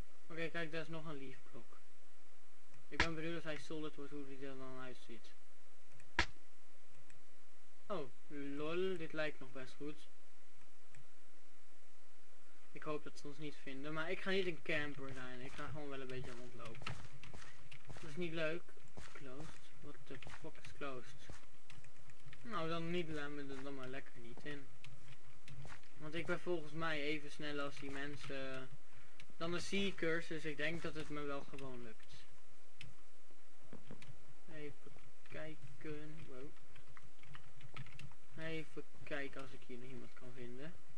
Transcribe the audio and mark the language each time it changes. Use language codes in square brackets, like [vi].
[nl] Oké, kijk, daar is nog een leafblok. Ik ben benieuwd als hij solid wordt, hoe hij er dan uitziet. Oh, lol, dit lijkt nog best goed. Ik hoop dat ze ons niet vinden, maar ik ga niet een camper zijn. Ik ga gewoon wel een beetje rondlopen. Dat is niet leuk. [en] Closed, what the fuck is closed? [nl] Nou, dan niet, laten we er dan maar lekker niet in. Want ik ben volgens mij even snel als die mensen... Dan de seekers, dus ik denk dat het me wel gewoon lukt. Even kijken. Wow. Even kijken als ik hier nog iemand kan vinden.